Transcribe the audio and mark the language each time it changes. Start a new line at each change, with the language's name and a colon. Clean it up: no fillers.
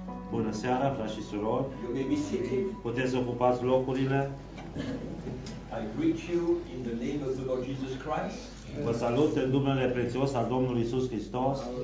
Romanian: Bună seara, frați și surori.
English: You may be seated.
Romanian: Puteți să ocupați locurile.
English: I greet you in the name of the Lord Jesus Christ.
Romanian: Vă salut în numele prețios al Domnului Iisus Hristos.